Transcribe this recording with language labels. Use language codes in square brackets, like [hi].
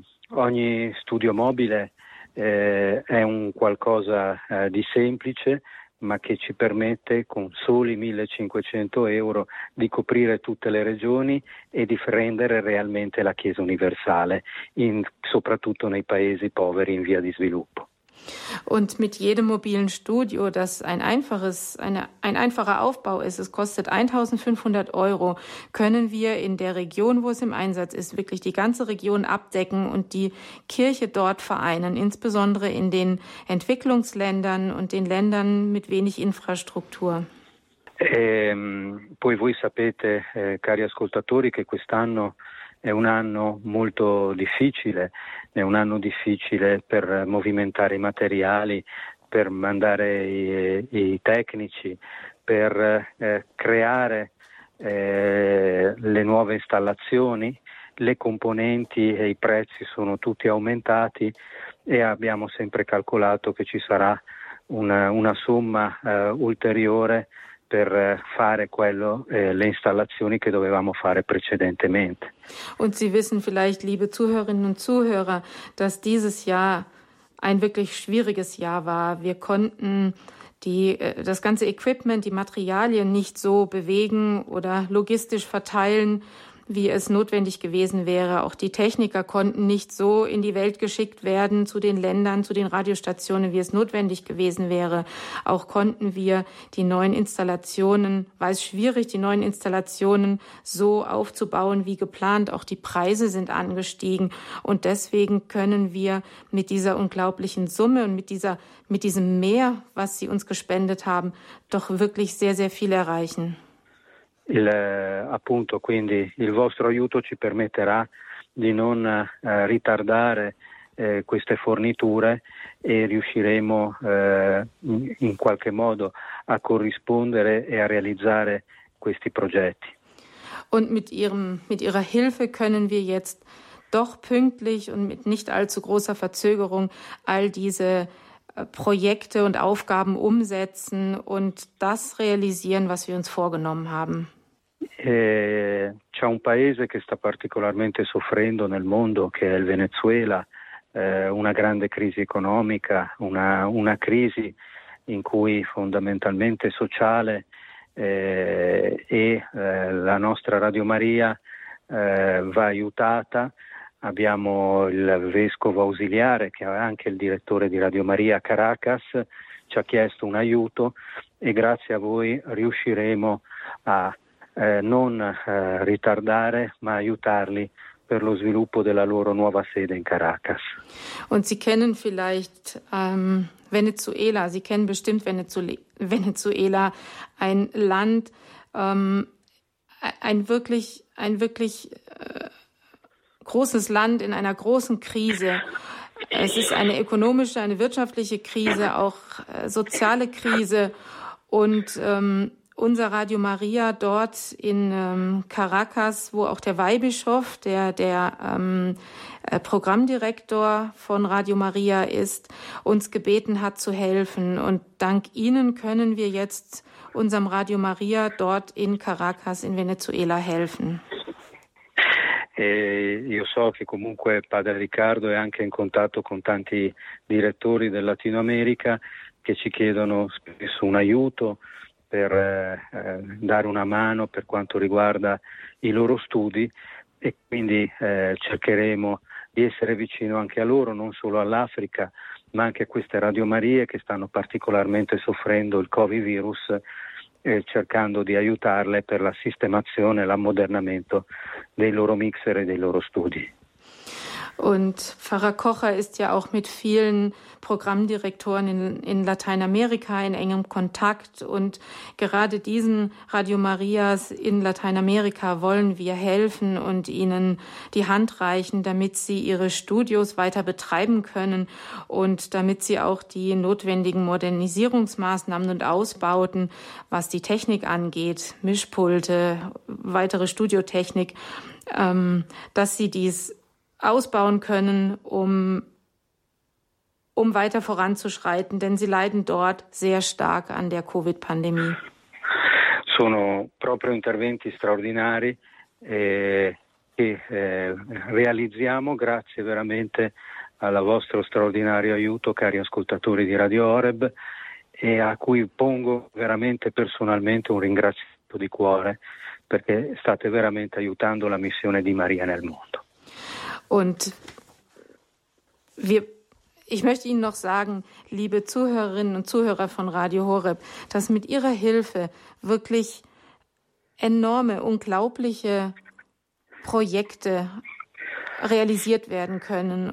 [it] Ogni studio mobile è un qualcosa di semplice, ma che ci permette con soli 1.500 euro di coprire tutte le regioni e di rendere realmente la Chiesa universale, soprattutto nei paesi poveri in via di sviluppo. [de] Und mit jedem mobilen Studio, das ein einfacher Aufbau ist, es kostet 1.500 Euro, können wir in der Region, wo es im Einsatz ist, wirklich die ganze Region abdecken und die Kirche dort vereinen, insbesondere in den Entwicklungsländern und den Ländern mit wenig Infrastruktur. [it] Poi voi sapete, cari ascoltatori, che quest'anno è un anno molto difficile. È un anno difficile per movimentare i materiali, per mandare i tecnici, per creare le nuove installazioni, le componenti e i prezzi sono tutti aumentati e abbiamo sempre calcolato che ci sarà una somma ulteriore per fare quello, le installazioni che dovevamo fare precedentemente. [de] Und Sie wissen vielleicht, liebe Zuhörerinnen und Zuhörer, dass dieses Jahr ein wirklich schwieriges Jahr war. Wir konnten das ganze Equipment, die Materialien nicht so bewegen oder logistisch verteilen, wie es notwendig gewesen wäre. Auch die Techniker konnten nicht so in die Welt geschickt werden, zu den Ländern, zu den Radiostationen, wie es notwendig gewesen wäre. Auch konnten wir die neuen Installationen, war es schwierig, die neuen Installationen so aufzubauen wie geplant. Auch die Preise sind angestiegen. Und deswegen können wir mit dieser unglaublichen Summe und mit diesem Mehr, was Sie uns gespendet haben, doch wirklich sehr, sehr viel erreichen. [it] Appunto, quindi il vostro aiuto ci permetterà di non ritardare queste forniture e riusciremo in qualche modo a corrispondere e a realizzare questi progetti. [de] Und mit ihrer Hilfe können wir jetzt doch pünktlich und mit nicht allzu großer Verzögerung all diese Projekte und Aufgaben umsetzen und das realisieren, was wir uns vorgenommen haben. [it] C'è un paese che sta particolarmente soffrendo nel mondo, che è il Venezuela, una grande crisi economica, una crisi in cui fondamentalmente sociale la nostra Radio Maria va aiutata. Abbiamo il vescovo ausiliare, che è anche il direttore di Radio Maria a Caracas, ci ha chiesto un aiuto e grazie a voi riusciremo a ritardare, ma aiutarli per lo sviluppo della loro nuova sede in Caracas. [de] Und Sie kennen vielleicht Venezuela, Sie kennen bestimmt Venezuela, ein Land, ein wirklich großes Land in einer großen Krise. Es ist eine ökonomische, eine wirtschaftliche Krise, auch soziale Krise und unser Radio Maria dort in Caracas, wo auch der Weihbischof, der Programmdirektor von Radio Maria ist, uns gebeten hat zu helfen. Und dank Ihnen können wir jetzt unserem Radio Maria dort in Caracas, in Venezuela, helfen. [it] Io so che comunque Padre Riccardo è anche in contatto con tanti direttori del Latin America che ci chiedono spesso un aiuto per dare una mano per quanto riguarda i loro studi e quindi cercheremo di essere vicino anche a loro, non solo all'Africa, ma anche a queste radiomarie che stanno particolarmente soffrendo il Covid virus, cercando di aiutarle per la sistemazione e l'ammodernamento dei loro mixer e dei loro studi. [de] Und Pfarrer Kocher ist ja auch mit vielen Programmdirektoren in Lateinamerika in engem Kontakt. Und gerade diesen Radio Marias in Lateinamerika wollen wir helfen und ihnen die Hand reichen, damit sie ihre Studios weiter betreiben können und damit sie auch die notwendigen Modernisierungsmaßnahmen und Ausbauten, was die Technik angeht, Mischpulte, weitere Studiotechnik, dass sie dies ausbauen können, um weiter voranzuschreiten, denn sie leiden dort sehr stark an der Covid-Pandemie. [it] Sono proprio interventi straordinari che realizziamo grazie veramente al vostro straordinario aiuto, cari ascoltatori di Radio Horeb, e a cui pongo veramente personalmente un ringraziamento di cuore, perché state veramente aiutando la missione di Maria nel mondo. [de] Und ich möchte Ihnen noch sagen, liebe Zuhörerinnen und Zuhörer von Radio Horeb, dass mit Ihrer Hilfe wirklich enorme, unglaubliche Projekte realisiert werden können.